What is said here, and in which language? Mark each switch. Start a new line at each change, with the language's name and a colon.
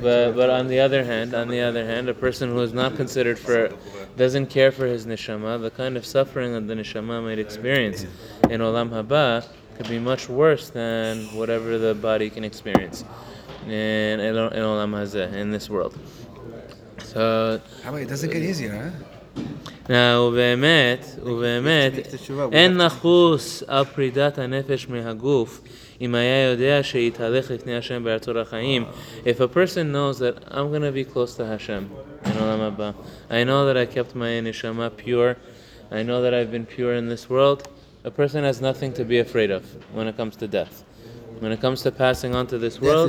English: But on the other hand, a person who is not considered for, doesn't care for his neshama, the kind of suffering that the neshama might experience in Olam Haba could be much worse than whatever the body can experience in Olam Hazeh, in this world. So it doesn't get easier, huh?
Hebrew: Now, ובאמת, ובאמת, אין נחוס על פרידת הנפש מהגוף, אם היה יודע שיתהלך לפני השם בארצות החיים.
English: If a person knows that I'm going to be close to Hashem, in עולם הבא, I know that I kept my neshama pure, I know that I've been pure in this world, a person has nothing to be afraid of when it comes to death. When it comes to passing on to this world,